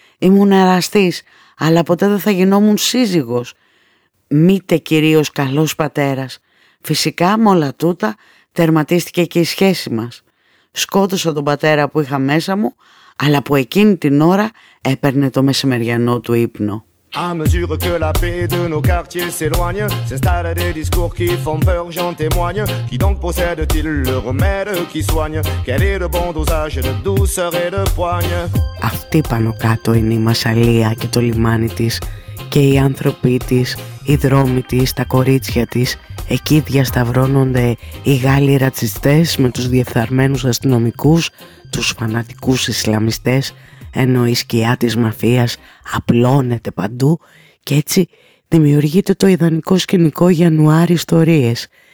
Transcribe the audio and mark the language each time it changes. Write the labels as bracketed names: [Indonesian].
[Greek] Ήμουν εραστής, αλλά ποτέ δεν θα γινόμουν σύζυγος. Μήτε κυρίως καλός πατέρας. Φυσικά με όλα τούτα τερματίστηκε και η σχέση μας. Σκότωσα τον πατέρα που είχα μέσα μου, αλλά που εκείνη την ώρα έπαιρνε το μεσημεριανό του ύπνο. [French] À mesure que la paix de nos quartiers s'éloigne, s'installent des discours qui font peur, j'en témoigne. Qui donc possède-t-il le remède qui soigne? Quel est le bon dosage de douceur et de poigne? [Greek] Αυτή πάνω κάτω είναι η Μασαλία και το λιμάνι της, και οι άνθρωποι της, οι δρόμοι της, τα κορίτσια της. Εκεί διασταυρώνονται οι Γάλλοι ρατσιστές με τους διεφθαρμένους αστυνομικούς, τους φανατικούς Ισλαμιστές, ενώ η σκιά της μαφίας απλώνεται παντού και έτσι δημιουργείται το ιδανικό σκηνικό για νουάρ ιστορίες.